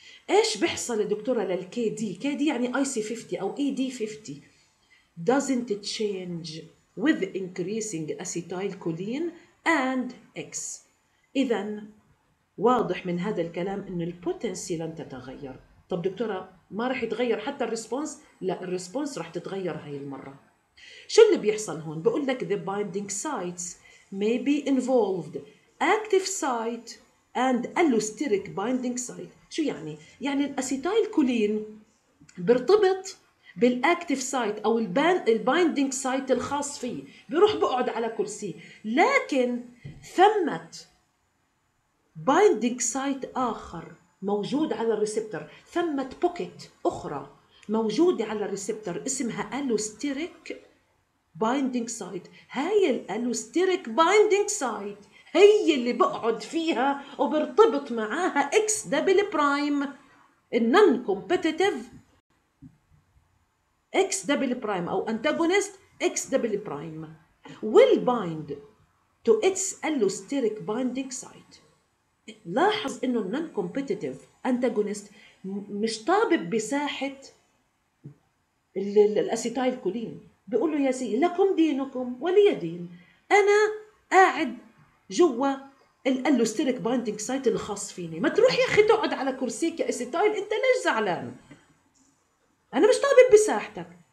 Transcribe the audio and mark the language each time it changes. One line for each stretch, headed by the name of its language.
Arabic: إيش بيحصل دكتورة للكي دي؟ كي دي يعني
English: IC50 أو ED50 doesn't change with increasing acetylcholine and X.
Arabic: إذن واضح من هذا الكلام أن البوتنسي لن تتغير. طب دكتورة ما رح يتغير حتى الريسبونس؟ لا، الريسبونس رح تتغير هاي المرة. شو اللي بيحصل هون؟ بقول لك
English: the binding sites may be involved, active site and allosteric binding site.
Arabic: شو يعني؟ يعني الأسيتايل كولين بيرتبط بالأكتف سايت أو البايندينج سايت الخاص فيه، بيروح بقعد على كرسي، لكن ثمت بايندينج سايت آخر موجود على الريسبتر، ثمت بوكيت أخرى موجودة على الريسبتر اسمها allosteric binding site.
English: هاي الالوستيريك binding site
Arabic: هي اللي بقعد فيها وبرتبط معاها
English: X double prime النون competitive X double prime أو antagonist X double prime will bind to its allosteric binding site.
Arabic: لاحظ إنه النون كومبيتيتيف antagonist مش طابب بساحة الأسيتايل كولين، بيقول له يا سيدي لكم دينكم ولي دين، انا قاعد جوا الالوستيريك بايندينج سايت الخاص فيني، ما تروح يا اخي تقعد على كرسيك يا اسيتايل، انت ليش زعلان؟ انا مش طالب بساحتك.